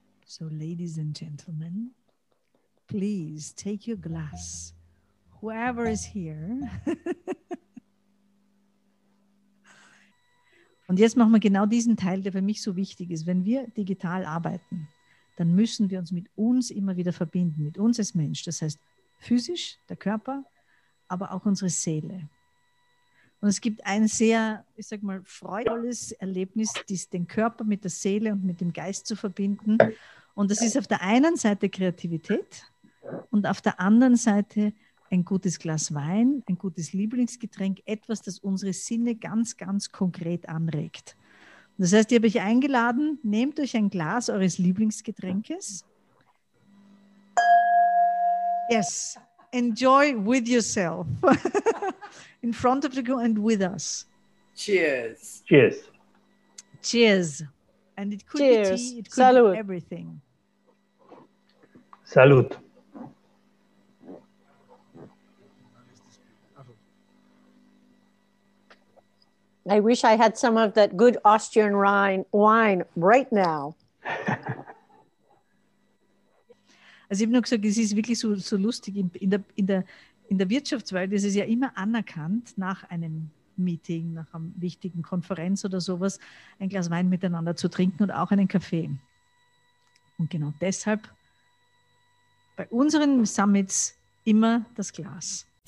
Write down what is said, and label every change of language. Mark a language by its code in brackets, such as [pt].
[en] So, ladies and gentlemen, please take your glass, whoever is here. [de] Und jetzt machen wir genau diesen Teil, der für mich so wichtig ist. Wenn wir digital arbeiten, dann müssen wir uns mit uns immer wieder verbinden, mit uns als Mensch. Das heißt physisch, der Körper, aber auch unsere Seele. Und es gibt ein sehr, ich sag mal, freudvolles Erlebnis, den Körper mit der Seele und mit dem Geist zu verbinden. Und das ist auf der einen Seite Kreativität und auf der anderen Seite ein gutes Glas Wein, ein gutes Lieblingsgetränk, etwas, das unsere Sinne ganz, ganz konkret anregt. Und das heißt, ich habe euch eingeladen, nehmt euch ein Glas eures Lieblingsgetränkes. [en] Yes, enjoy with yourself. In front of the group and with us. Cheers. Cheers. Cheers. And it could Cheers. Be tea, it could Salud. Be everything. Salud. I wish I had some of that good Austrian Rhine wine right now. [de] Also ich habe nur gesagt, es ist wirklich so lustig. In der Wirtschaftswelt ist es ja immer anerkannt, nach einem Meeting, nach einer wichtigen Konferenz oder sowas, ein Glas Wein miteinander zu trinken und auch einen Kaffee. Und genau deshalb bei unseren Summits immer das Glas.